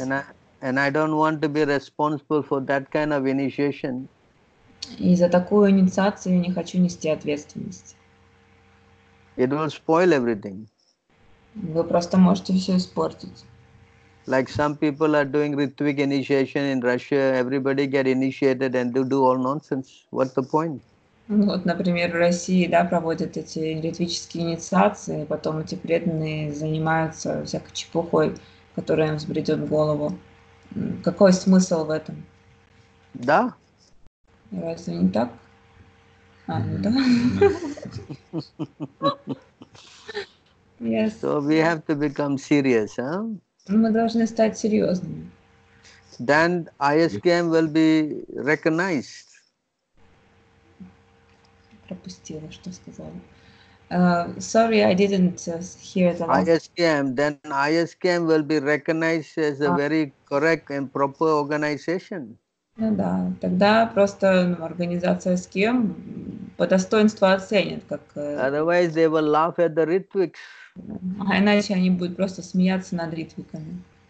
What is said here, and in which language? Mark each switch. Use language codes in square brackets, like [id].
[en] And I don't want to be responsible for that kind of initiation. [ru] И за такую инициацию я не хочу нести ответственность. [en] It will spoil everything. [ru] Вы просто можете все испортить. [en] Like some people are doing Ritvik initiation in Russia, everybody get initiated and they do all nonsense. What's the point? [ru] Вот, например, в России, да, проводят эти ритвические инициации, потом эти преданные занимаются всякой чепухой, которая им взбредет в голову. Какой смысл в этом? Да. Разве не так? Да. [en] Yes. So we have to become serious, huh? [ru] Мы должны стать серьезными. [en] Then ISKM will be recognized. [ru] Пропустила, что сказала. [en] Sorry, I didn't hear the last... ISKM, then ISKM will be recognized as a very correct and proper organization. [ru] Ну да, тогда просто организация ISKM по достоинству оценит, как... [en] Otherwise, they will laugh at the Ritviks. [ru] А иначе они будут просто смеяться над Ритвиками.